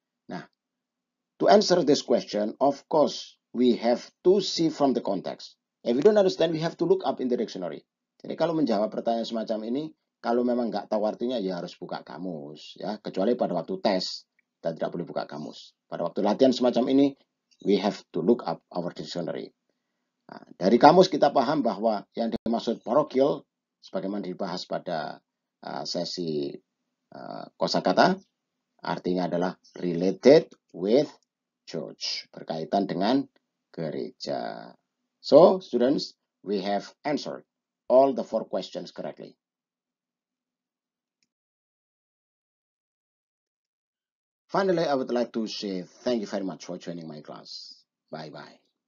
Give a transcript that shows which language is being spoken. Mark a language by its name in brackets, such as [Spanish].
[English] Nah, to answer this question, of course, we have to see from the context. If you don't understand, we have to look up in the dictionary. [Indonesian] Jadi kalau menjawab pertanyaan semacam ini, kalau memang nggak tahu artinya, ya harus buka kamus. Ya, kecuali pada waktu tes, kita tidak boleh buka kamus. Pada waktu latihan semacam ini, [English] we have to look up our dictionary. [Indonesian] Nah, dari kamus kita paham bahwa yang dimaksud parochial, sebagaimana dibahas pada sesi kosakata, artinya adalah [English] related with church, [Indonesian] berkaitan dengan gereja. [English] So, students, we have answered all the 4 questions correctly. Finally, I would like to say thank you very much for joining my class. Bye-bye.